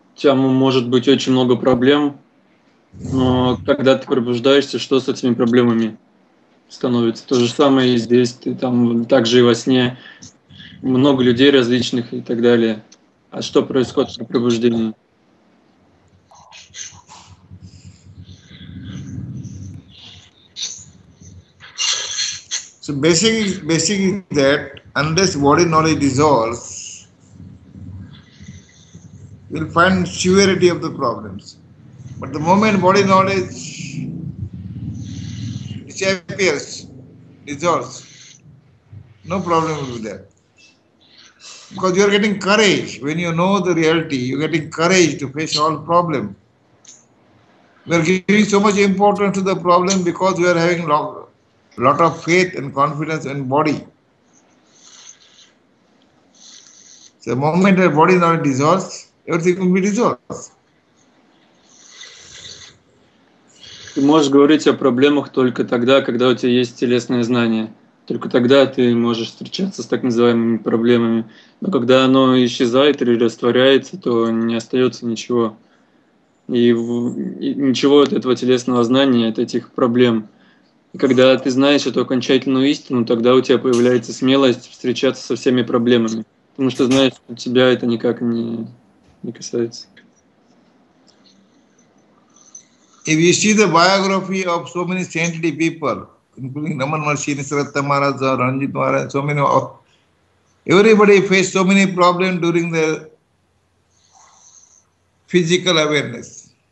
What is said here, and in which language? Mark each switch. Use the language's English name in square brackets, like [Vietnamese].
[Russian] У тебя может быть очень много проблем, но когда ты пробуждаешься, что с этими проблемами становится? То же самое и здесь, ты там также и во сне, много людей различных и так далее. А что происходит при пробуждении? [English] So basically that unless body knowledge dissolves, we'll find severity of the problems. But the moment body knowledge disappears, dissolves, no problem will be there. Because you are getting courage. When you know the reality, you're getting courage to face all problems. We are giving so much importance to the problem because we are having lot of faith and confidence in body. So the moment that body knowledge dissolves, everything will be dissolved. [Russian] Ты можешь говорить о проблемах только тогда, когда у тебя есть телесное знание. Только тогда ты можешь встречаться с так называемыми проблемами. Но когда оно исчезает или растворяется, то не остается ничего. И ничего от этого телесного знания, от этих проблем. И когда ты знаешь эту окончательную истину, тогда у тебя появляется смелость встречаться со всеми проблемами. Потому что знаешь, что у тебя это никак не касается. [English] If you see the biography of so many saintly people, including Raman Maharshi, Nisratta Maharaj, Ranjit Maharaj, so many, everybody faced so many problems during their physical awareness.